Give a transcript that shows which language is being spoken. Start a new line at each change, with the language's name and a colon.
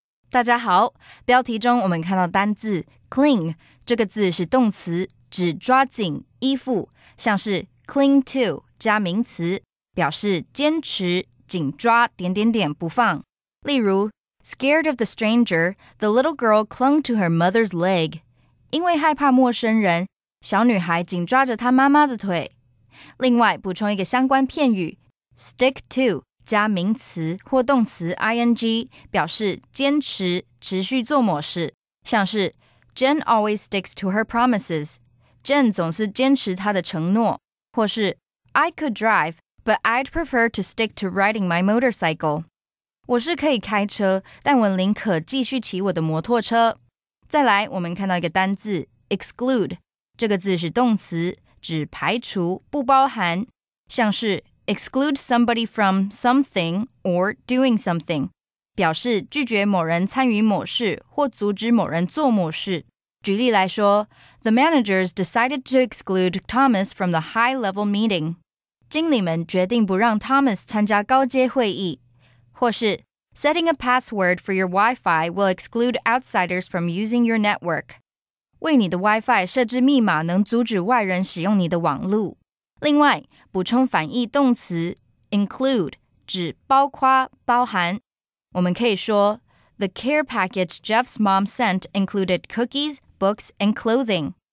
Chinese: 大家好，标题中我们看到单字 cling, 这个字是动词，指抓紧、依附，像是 cling to,加名词表示坚持紧抓点点点不放。
English: 例如 ,scared of the stranger, the little girl clung to her mother's leg.
Chinese: 因为害怕陌生人小女孩紧抓着她妈妈的腿。另外补充一个相关片语 ,stick to, 加名词或动词 ing, 表示坚持持续做某事。像是
English: ,Jen always sticks to her promises. Jen
Chinese: 总是坚持她的承诺。或是
English: I could drive, but I'd prefer to stick to riding my motorcycle.
Chinese: 我是可以开车，但我宁可继续骑我的摩托车。再来，我们看到一个单字 exclude. 这个字是动词，指排除、不包含。像是
English: exclude somebody from something or doing something.
Chinese: 表示拒绝某人参与某事或阻止某人做某事。举例来说
English: ,the managers decided to exclude Thomas from the high-level meeting.
Chinese: 经理们决定不让 Thomas 参加高阶会议。或是
English: ,setting a password for your Wi-Fi will exclude outsiders from using your network.
Chinese: 为你的 Wi-Fi 设置密码能阻止外人使用你的网路。另外补充反义动词 ,include, 指包括、包含。我们可以说
English: The care package Jeff's mom sent included cookies, books, and clothing.